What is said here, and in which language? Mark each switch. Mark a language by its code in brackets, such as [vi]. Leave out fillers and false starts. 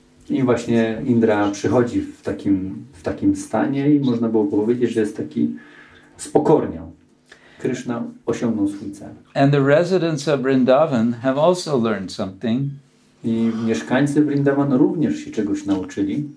[pl] I właśnie Indra przychodzi w takim stanie i można było powiedzieć, że jest taki spokorniał. Krishna osiągnął swój cel. [en] And the residents of Vrindavan have also learned something. [pl] I mieszkańcy Vrindavan również się czegoś nauczyli.